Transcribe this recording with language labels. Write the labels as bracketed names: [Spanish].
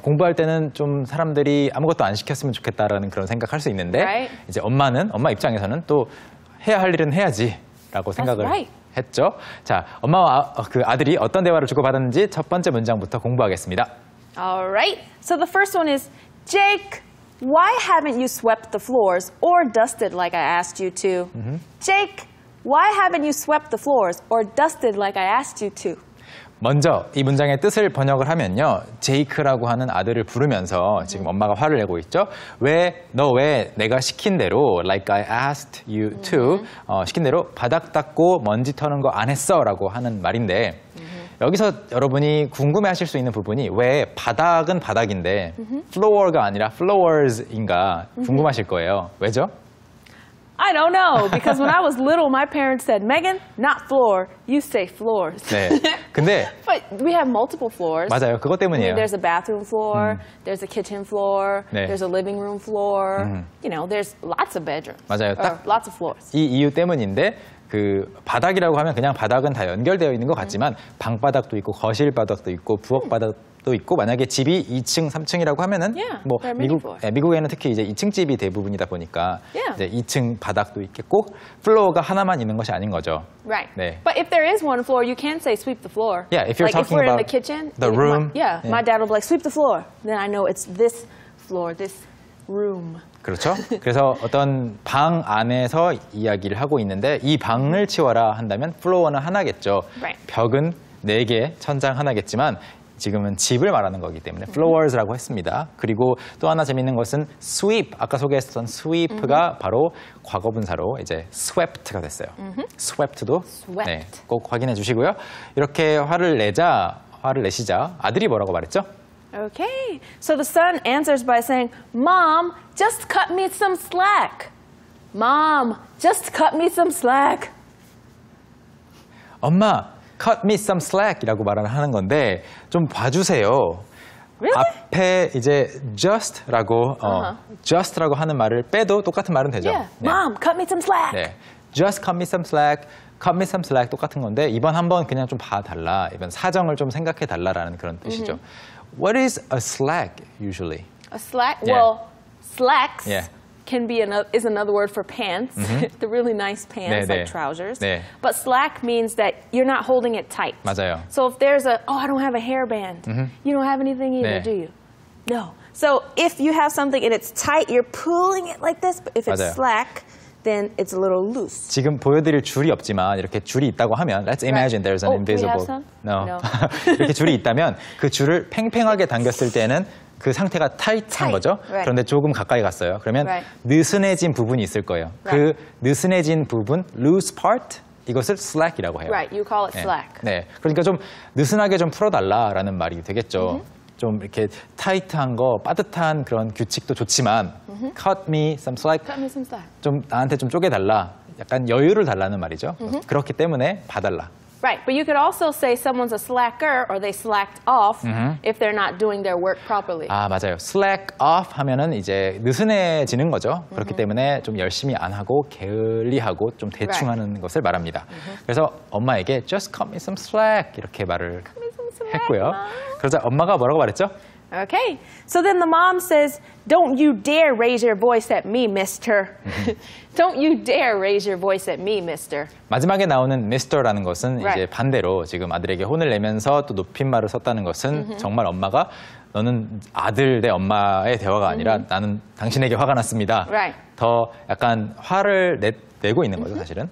[Korean] 공부할 때는 좀 사람들이 아무것도 안 시켰으면 좋겠다라는 그런 생각할 수 있는데 [English] right. [Korean] 이제 엄마는, 엄마 입장에서는 또 해야 할 일은 해야지 라고 생각을 [English] right. [Korean] 했죠. 자, 엄마와 그 아들이 어떤 대화를 주고받았는지 첫 번째 문장부터 공부하겠습니다. [English] Alright, so the first one is Jake. Why haven't you swept the floors or dusted like I asked you to? Mm-hmm. Jake, Why haven't you swept the floors or dusted like I asked you to? [Korean] 먼저 이 문장의 뜻을 번역을 하면요. 제이크라고 하는 아들을 부르면서 지금 엄마가 화를 내고 있죠. 왜 너 왜 내가 시킨 대로 [English] like I asked you to [Korean] 시킨 대로 바닥 닦고 먼지 터는 거 안 했어 라고 하는 말인데 여기서 여러분이 궁금해 하실 수 있는 부분이 왜 바닥은 바닥인데 floor가 아니라 floors인가 궁금하실 거예요. 왜죠? [English] I don't know. Because when I was little, my parents said, Megan, not floor. You say floors. [Korean] 네. 근데 [English] But we have multiple floors. [Korean] 맞아요. 그것 때문이에요. [English] I mean, there's a bathroom floor. There's a kitchen floor. 네. There's a living room floor. You know, there's lots of bedrooms. [Korean] 맞아요. 딱 [English] lots of floors. [Korean] 이 이유 때문인데 그 바닥이라고 하면 그냥 바닥은 다 연결되어 있는 것 같지만 방바닥도 있고 거실바닥도 있고 부엌바닥도 또 있고 만약에 집이 2층, 3층이라고 하면은 yeah, 뭐 미국 예, 미국에는 특히 이제 2층 집이 대부분이다 보니까 [English] yeah. [Korean] 이제 2층 바닥도 있겠고 플로어가 하나만 있는 것이 아닌 거죠. [English] Right. 네. But if there is one floor, you can say sweep the floor. Yeah, if you're like talking if about in the kitchen, the room. My dad will be like sweep the floor. Then I know it's this floor, this room. [Korean] 그렇죠? 그래서 어떤 방 안에서 이야기를 하고 있는데 이 방을 치워라 한다면 플로어는 하나겠죠. [English] Right. [Korean] 벽은 네 개, 천장 하나겠지만 지금은 집을 말하는 거기 때문에 floors라고 했습니다. 그리고 또 하나 재밌는 것은 sweep, 아까 소개했었던 sweep가 바로 과거분사로 이제 swept가 됐어요. swept도 [English] swept. 네, [Korean] 꼭 확인해 주시고요. 이렇게 화를 내시자 아들이 뭐라고 말했죠? [English] Okay, so the son answers by saying, Mom, just cut me some slack. Mom, just cut me some slack. [Korean] 엄마! [English] Cut me some slack [Korean] 이라고 말을 하는 건데 좀 봐주세요. [English] Really? [Korean] 앞에 이제 just라고 just라고 하는 말을 빼도 똑같은 말은 되죠. [English] Yeah. Yeah. Mom, cut me some slack. 네. Just cut me some slack. Cut me some slack [Korean] 똑같은 건데 이번 한번 그냥 좀 봐달라. 이번 사정을 좀 생각해 달라라는 그런 뜻이죠. [English] What is a slack usually? A slack. Yeah. Well, slacks. Yeah. Can be another is another word for pants, the really nice pants like trousers. [Korean] 네. [English] But slack means that you're not holding it tight. [Korean] 맞아요. [English] So if there's a oh I don't have a hairband, you don't have anything either, [Korean] 네. [English] do you? No. So if you have something and it's tight, you're pulling it like this. But if [Korean] 맞아요. [English] It's slack, then it's a little loose. [Korean] 지금 보여드릴 줄이 없지만 이렇게 줄이 있다고 하면 [English] let's imagine right. there's an oh, invisible. We have some? No. [Korean] 이렇게 줄이 있다면 그 줄을 팽팽하게 당겼을 때는 그 상태가 타이트한 거죠. [English] Right. [Korean] 그런데 조금 가까이 갔어요. 그러면 [English] right. [Korean] 느슨해진 부분이 있을 거예요. [English] Right. [Korean] 그 느슨해진 부분, [English] loose part, [Korean] 이것을 slack이라고 해요. [English] Right, you call it [Korean] 네. [English] slack. [Korean] 네, 그러니까 좀 느슨하게 좀 풀어달라라는 말이 되겠죠. Mm-hmm. 좀 이렇게 타이트한 거, 빠듯한 그런 규칙도 좋지만 mm-hmm. [English] cut me some slack, cut me some slack. [Korean] 좀 나한테 좀 쪼개달라, 약간 여유를 달라는 말이죠. Mm-hmm. 그렇기 때문에 봐달라. [English] Right, but you could also say someone's a slacker or they slacked off if they're not doing their work properly. [Korean] 아, 맞아요. Slack off 하면은 이제 느슨해지는 거죠. 그렇기 때문에 좀 열심히 안 하고 게을리하고 좀 대충하는 [English] right. [Korean] 것을 말합니다. 그래서 엄마에게 [English] just cut me some slack [Korean] 이렇게 말을 [English] cut me some slack, [Korean] 했고요. [English] Mom. [Korean] 그러자 엄마가 뭐라고 말했죠? [English] Okay, so then the mom says, don't you dare raise your voice at me, mister. don't you dare raise your voice at me, mister. [Korean] 마지막에 나오는 mister라는 것은 [English] right. [Korean] 이제 반대로 지금 아들에게 혼을 내면서 또 높임말을 썼다는 것은 mm-hmm. 정말 엄마가 너는 아들 내 엄마의 대화가 아니라 mm-hmm. 나는 당신에게 화가 났습니다. [English] Right. [Korean] 더 약간 화를 내고 있는 거죠, 사실은.